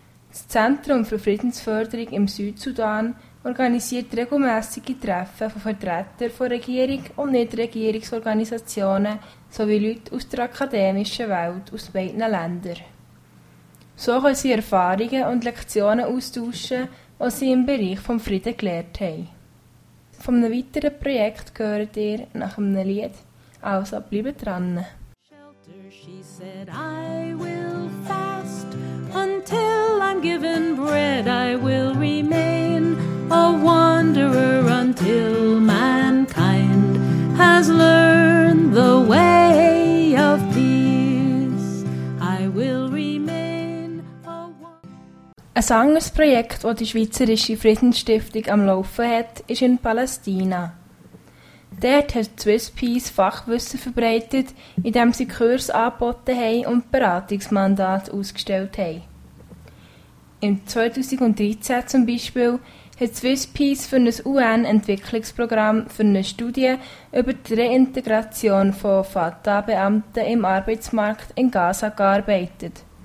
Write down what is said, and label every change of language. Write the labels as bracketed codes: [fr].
[de] Das Zentrum für Friedensförderung im Südsudan organisiert regelmässige Treffen von Vertretern von Regierung und Nichtregierungsorganisationen sowie Leute aus der akademischen Welt aus beiden Ländern. So können sie Erfahrungen und Lektionen austauschen, die sie im Bereich des Friedens gelernt haben. Von einem weiteren Projekt gehört ihr nach einem Lied. Also bleibt dran! [en] Shelter, she said, I will fast until I'm given bread, I will remain a wanderer until mankind has learned the way of peace. I will remain a wanderer. [de] Ein anderes Projekt, das die Schweizerische Friedensstiftung am Laufen hat, ist in Palästina. Dort hat Swiss Peace Fachwissen verbreitet, indem sie Kurse angeboten haben und Beratungsmandate ausgestellt haben. Im 2013 zum Beispiel hat Swiss Peace für ein UN-Entwicklungsprogramm für eine Studie über die Reintegration von Fatah-Beamten im Arbeitsmarkt in Gaza gearbeitet.